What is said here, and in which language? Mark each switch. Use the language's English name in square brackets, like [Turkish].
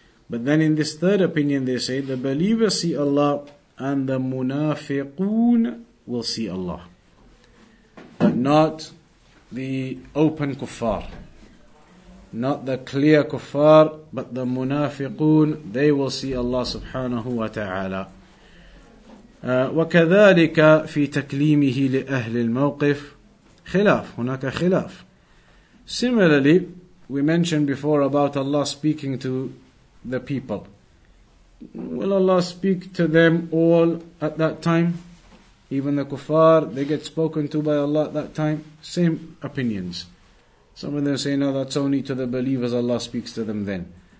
[English] But then in this third opinion they say, the believers see Allah and the munafiqoon will see Allah. But not the open kuffar. Not the clear kuffar, but the munafiqoon, they will see Allah subhanahu wa ta'ala. [Arabic] وكذلك في تكليمه لأهل الموقف خلاف هناك خلاف. [English] Similarly, we mentioned before about Allah speaking to the people. Will Allah speak to them all at that time? Even the kuffar, they get spoken to by Allah at that time. Same opinions. Some of them say, no, that's only to the believers, Allah speaks to them then.